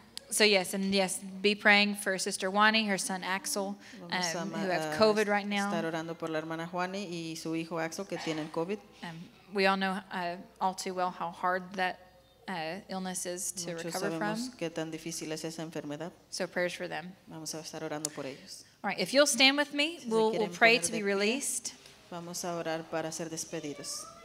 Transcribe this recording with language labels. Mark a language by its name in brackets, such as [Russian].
[English] So yes, and yes, be praying for Sister Juani, her son Axel, who have COVID right now. [Spanish] Estar orando por la hermana Juani y su hijo Axel que tienen COVID. [English] We all know all too well how hard that illnesses to [Spanish] Muchos [English] recover from. [Spanish] Qué tan difícil es esa enfermedad. [English] So prayers for them. [Spanish] Vamos a estar orando por ellos. [English] All right, if you'll stand with me, we'll pray to be released. [Spanish] Vamos a orar para ser despedidos.